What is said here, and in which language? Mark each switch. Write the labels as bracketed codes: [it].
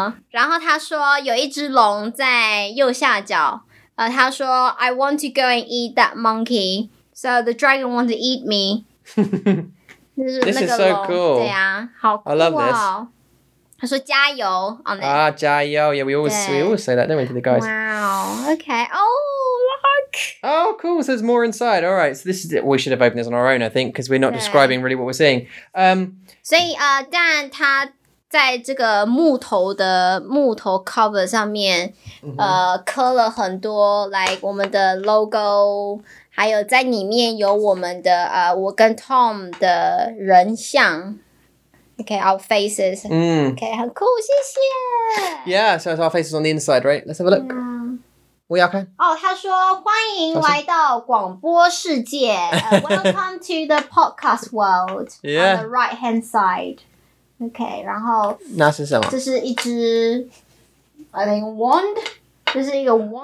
[zh] 然后他说有一只龙在右下角。他说 [en] I want to go and eat that monkey. So the dragon wants to eat me. This is so cool. [zh] 对呀，好酷哦。 [en] I love this. [zh] 他说加油 [en] on it. [zh] 加油 [en] Yeah, we always say that, don't we, to the guys. Wow, okay. Oh, look! Oh, cool, so there's more inside. All right, so this is it. We should have opened this on our own, I think, because we're not describing really what we're seeing. [zh] 所以Dan 他在这个木头 cover 上面刻了很多 like 我们的 logo, 还有在里面有我们的我跟 Tom 的人像。 [en] Okay, our faces. Okay, [zh] 很酷，谢谢。 [en] Yeah, so it's our faces on the inside, right? Let's have a look. We are okay. [zh] Oh, 他说欢迎来到广播世界。 [en] Welcome to the podcast world. Yeah. On the right hand side. Okay, [zh] 然后。那是什么？这是一只 [en] I think [zh] wand. 这是一个 wand.